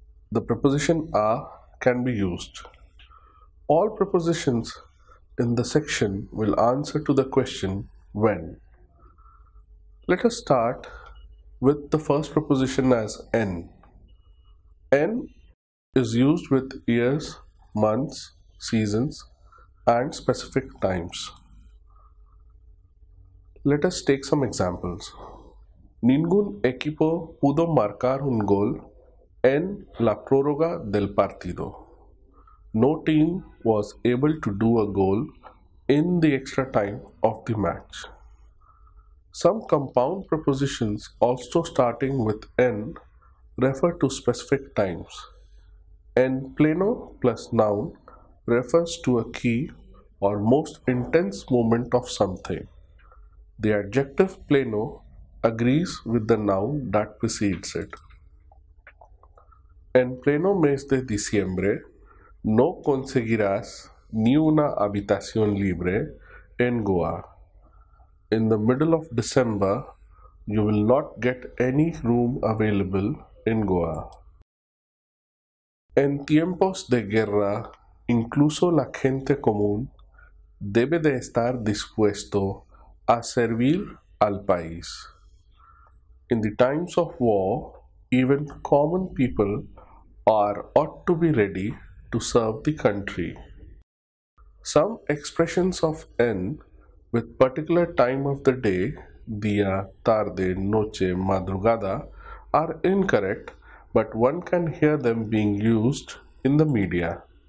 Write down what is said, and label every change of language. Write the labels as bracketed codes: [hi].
[en] The preposition a can be used. All prepositions in the section will answer to the question when. Let us start with the first preposition as en. En is used with years, months, seasons and specific times. Let us take some examples. [es] Ningún equipo pudo marcar un gol en la prórroga del partido. [en] No team was able to do a goal in the extra time of the match. Some compound prepositions also starting with en refer to specific times. En pleno plus noun refers to a key or most intense moment of something. The adjective pleno agrees with the noun that precedes it. [es] En pleno mes de diciembre, no conseguirás ni una habitación libre en Goa. [en] In the middle of December, you will not get any room available in Goa. [es] En tiempos de guerra, incluso la gente común debe de estar dispuesto a servir al país. [en] In the times of war, even common people ought to be ready to serve the country. Some expressions of en with particular time of the day, día, tarde, noche, madrugada, are incorrect, but one can hear them being used in the media.